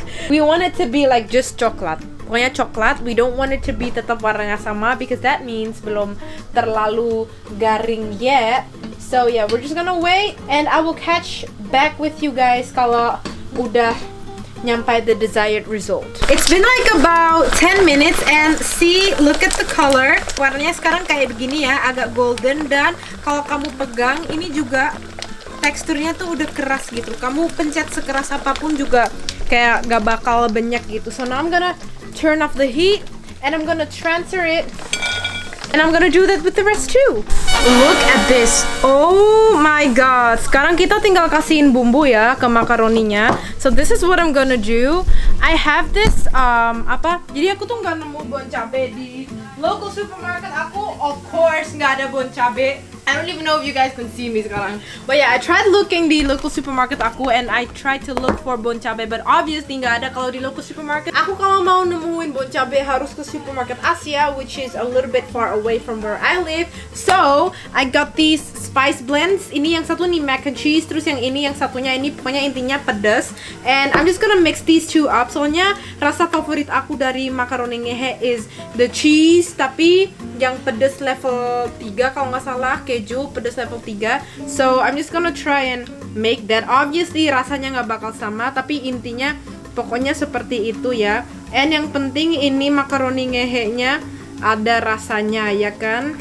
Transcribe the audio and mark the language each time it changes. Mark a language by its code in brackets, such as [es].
[en] We want it to be like just coklat. [id] Pokoknya coklat, [en] we don't want it to be [id] tetap warnanya sama [en] because that means [id] belum terlalu garing [en] yet. So yeah, we're just gonna wait and I will catch back with you guys [id] kalau udah nyampai [en] the desired result. It's been like about 10 minutes and see, look at the color. [id] Warnanya sekarang kayak begini ya, agak golden, dan kalau kamu pegang ini juga teksturnya tuh udah keras gitu. Kamu pencet sekeras apapun juga kayak gak bakal benyek gitu. [en] So now I'm gonna turn off the heat and I'm gonna transfer it and I'm gonna do that with the rest too. Look at this. Oh my god. [id] Sekarang kita tinggal kasihin bumbu ya ke makaroninya. [en] So this is what I'm gonna do. I have this apa? [id] Jadi aku tuh enggak nemu bon cabe di [en] local supermarket. [id] Aku of course enggak ada bon cabe. [en] I don't even know if you guys can see me sekarang. But yeah, I tried looking di local supermarket aku and I tried to look for bon cabe, but obviously [id] enggak ada kalau di [en] local supermarket. [id] Aku kalau mau nemuin bon cabe harus ke supermarket Asia, [en] which is a little bit far away from where I live. So, I got these spice blends. [id] Ini yang satu nih mac and cheese, terus yang satunya ini pokoknya intinya pedas. [en] And I'm just gonna mix these two up. [id] Soalnya rasa favorit aku dari macaroni ngehe [en] is the cheese, [id] tapi yang pedas level 3 kalau nggak salah, keju pedas level 3. [en] So I'm just gonna try and make that. [id] Obviously rasanya nggak bakal sama, tapi intinya pokoknya seperti itu ya. And yang penting ini macaroni ngehe nya ada rasanya ya kan.